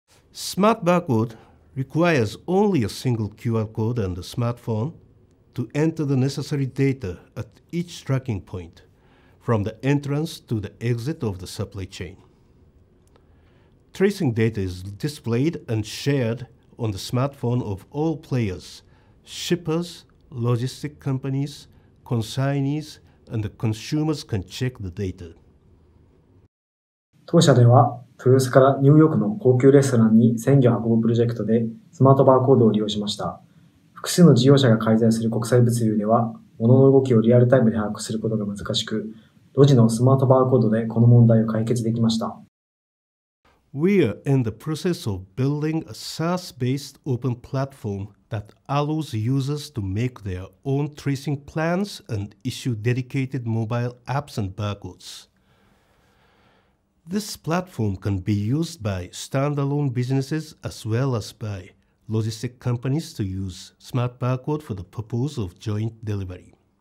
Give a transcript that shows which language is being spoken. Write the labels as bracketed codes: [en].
[en] Smart barcode requires only a single QR code and a smartphone to enter the necessary data at each tracking point, from the entrance to the exit of the supply chain. Tracing data is displayed and shared on the smartphone of all players, shippers, logistic companies, consignees, and the consumers can check the data. [ja] 当社では、豊洲からニューヨークの高級レストランに鮮魚を運ぶプロジェクトでスマートバーコードを利用しました。複数の事業者が介在する国際物流では、物の動きをリアルタイムで把握することが難しく、路地のスマートバーコードでこの問題を解決できました。 [en] We are in the process of building a SaaS-based open platform that allows users to make their own tracing plans and issue dedicated mobile apps and barcodes. This platform can be used by standalone businesses as well as by logistic companies to use smart barcode for the purpose of joint delivery.